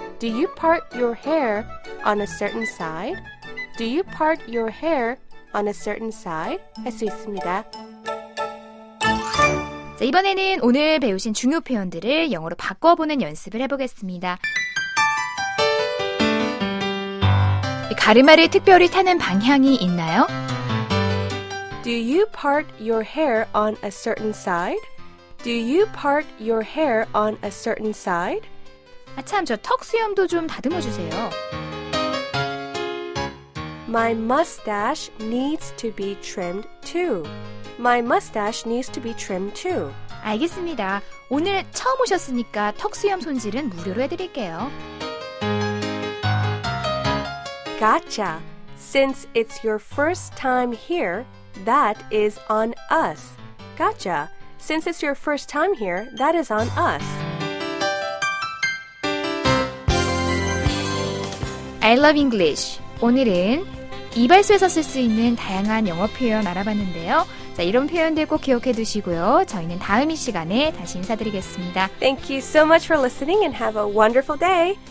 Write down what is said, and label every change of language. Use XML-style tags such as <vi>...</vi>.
<en>Do you part your hair on a certain side? Do you part your hair on a certain side?</en> <ko>할 수 있습니다. 자, 이번에는 오늘 배우신 중요 표현들을 영어로 바꿔보는 연습을 해보겠습니다. 가르마를 특별히 타는 방향이 있나요?</ko> <en>Do you part your hair on a certain side? Do you part your hair on a certain side?</en> <ko>아 참, 저 턱 수염도 좀 다듬어 주세요.</ko> <en>My mustache needs to be trimmed too. My mustache needs to be trimmed too.</en> <ko>알겠습니다. 오늘 처음 오셨으니까 턱 수염 손질은 무료로 해드릴게요.</ko> <en>Gotcha. Since it's your first time here, that is on us. Gotcha. Since it's your first time here, that is on us. I love English.</en> <ko>오늘은 이발소에서 쓸 수 있는 다양한 영어 표현 알아봤는데요. 자, 이런 표현들 꼭 기억해 두시고요. 저희는 다음 이 시간에 다시 인사드리겠습니다.</ko> <en>Thank you so much for listening and have a wonderful day.</en>